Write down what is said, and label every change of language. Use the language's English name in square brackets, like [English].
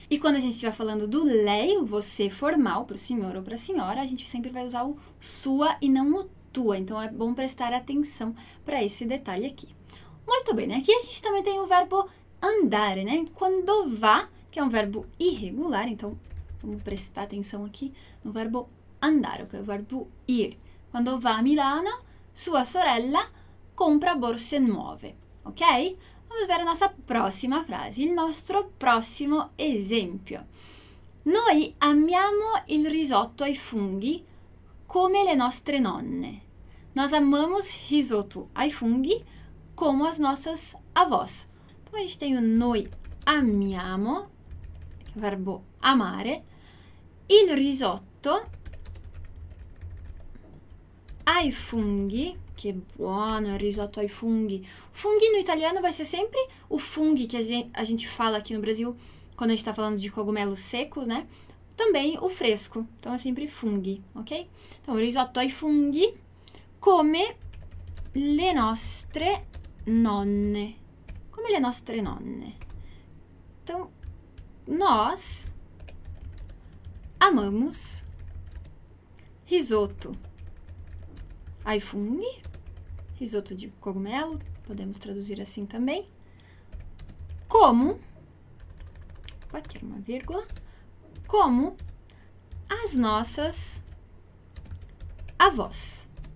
[Portuguese] E quando a gente estiver falando do lei, o você formal, para o senhor ou para a senhora, a gente sempre vai usar o sua e não o tua. Então, é bom prestar atenção para esse detalhe aqui. Muito bem, né? Aqui a gente também tem o verbo andare, né? Quando vá, que é um verbo irregular, então vamos prestar atenção aqui no verbo andare, que é o verbo ir. [Italian] Quando vá a Milano, sua sorella compra borse nuove, ok? [Portuguese] Vamos ver a nossa próxima frase, [Italian] il nostro prossimo esempio. Noi amiamo il risotto ai funghi come le nostre nonne. [Portuguese] Nós amamos risotto ai funghi como as nossas avós. Então, a gente tem o [Italian] noi amiamo, [Portuguese] que é o verbo amare, il risotto ai funghi. [Italian] Che buono il risotto ai funghi. [Portuguese] Funghi no italiano vai ser sempre o funghi che a gente fala aqui no Brasil quando a gente tá falando de cogumelo seco, né? Também o fresco. Então é sempre funghi, ok? Então, [Italian] risotto ai funghi come le nostre nonne. Come le nostre nonne. [Portuguese] Então, nós amamos risotto ai funghi, risotto de cogumelo, podemos traduzir assim também, como, vai ter uma vírgula, como as nossas avós.